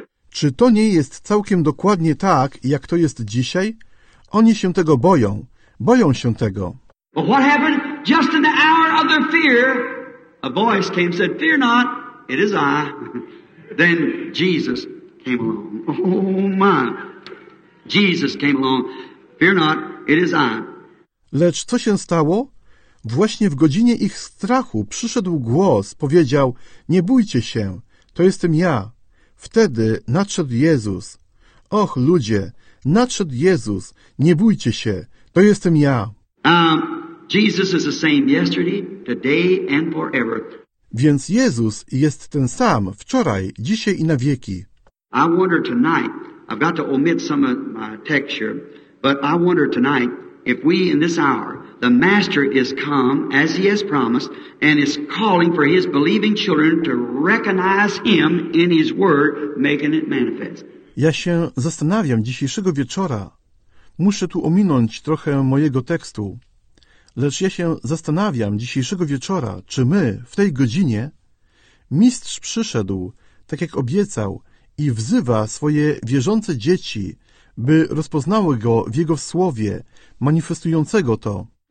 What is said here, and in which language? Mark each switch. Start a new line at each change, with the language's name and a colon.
Polish: Czy to nie jest całkiem dokładnie tak, jak to jest dzisiaj? Oni się tego boją. Boją się tego.
English: But what happened? Just in the hour of their fear, a voice came and said, "Fear not, it is I." Then Jesus came along. Oh my! Jesus came along. Fear not, it is I.
Polish: Lecz co się stało? Właśnie w godzinie ich strachu przyszedł głos, powiedział: "Nie bójcie się, to jestem ja." Wtedy nadszedł Jezus. Och, ludzie, nadszedł Jezus, nie bójcie się, to jestem ja.
English: Jesus is the same yesterday, today and forever.
Polish: Więc Jezus jest ten sam wczoraj, dzisiaj i na wieki.
English: I wonder tonight, I've got to omit some of my texture, but I wonder tonight if we in this hour, the Master is come as he has promised and is calling for his believing children to recognize him in his word, making it manifest.
Polish: Ja się zastanawiam dzisiejszego wieczora. Muszę tu ominąć trochę mojego tekstu. Lecz ja się zastanawiam dzisiejszego wieczora, czy my w tej godzinie... Mistrz przyszedł, tak jak obiecał, i wzywa swoje wierzące dzieci, by rozpoznały go w jego słowie, manifestującego to.